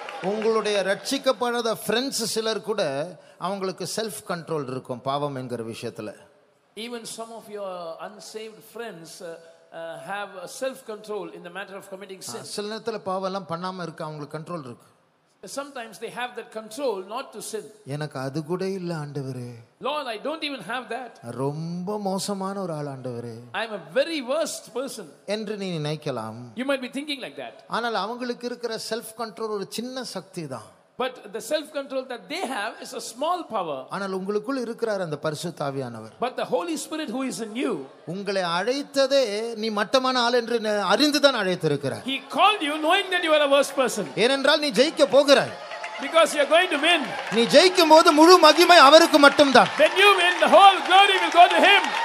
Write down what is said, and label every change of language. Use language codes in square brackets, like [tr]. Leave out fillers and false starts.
[ta] உங்களுடைய ரட்சிக்கப்படாத ஃப்ரெண்ட்ஸ் சிலர் கூட அவங்களுக்கு செல்ஃப் கண்ட்ரோல் இருக்கும் பாவம் என்கிற விஷயத்துல. [en] Even some of your unsaved friends have a self control in the matter of committing sin. [ta] சில நேரத்துல பாவம் எல்லாம் பண்ணாம இருக்க அவங்களுக்கு கண்ட்ரோல் இருக்கு. [en] Sometimes they have that control not to sin. [ta] எனக்கு அது கூட இல்ல ஆண்டவரே. [en] Lord, I don't even have that. [ta] ரொம்ப மோசமான ஒரு ஆள் ஆண்டவரே. [en] I am a very worst person. [ta] என்று நீ நினைக்கலாம். [en] You might be thinking like that. [ta] ஆனால் அவங்களுக்கு இருக்கிற செல்ஃப் கண்ட்ரோல் ஒரு சின்ன சக்தி தான். [en] But the self control that they have is a small power. [ta] ஆனால் உங்களுக்குள்ள இருக்கிறார் அந்த பரிசுத்த ஆவியானவர். [en] But the Holy Spirit who is in you. [ta] உங்களை அழைத்ததே நீ மட்டமான ஆள் என்று அறிந்து தான் அழைத்து இருக்கிறார். [en] He called you knowing that you are a worst person. [ta] ஏனென்றால் நீ ஜெயிக்க போகிறாய். [en] Because you are going to win. [ta] நீ ஜெயிக்கும் போது முழு மகிமை அவருக்கு மட்டும்தான். [en] When you win, the whole glory will go to him.